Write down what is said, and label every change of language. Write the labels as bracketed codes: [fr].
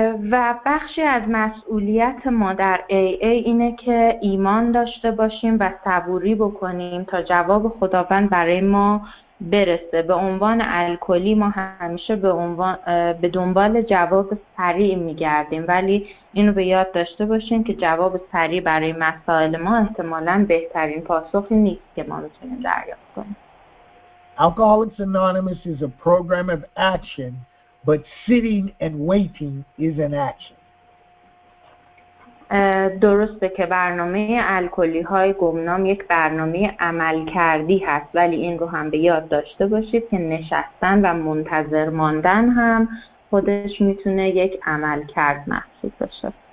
[fa] و بخشی از مسئولیت ما در AA اینه که ایمان داشته باشیم و صبوری بکنیم تا جواب خداوند برای ما برسه. به عنوان الکلی ما همیشه به دنبال جواب سریع میگردیم، ولی اینو به یاد داشته باشین که جواب سریع برای مسائل ما احتمالاً بهترین پاسخی نیست که ما میتونیم دریافت کنیم. [en] Alcoholics Anonymous is a program of action, but sitting and waiting is an action. [fa] درسته که برنامه الکلی های گمنام یک برنامه عمل کردی هست، ولی این رو هم به یاد داشته باشید که نشستن و منتظر ماندن هم خودش میتونه یک عمل کرد محسوب باشه.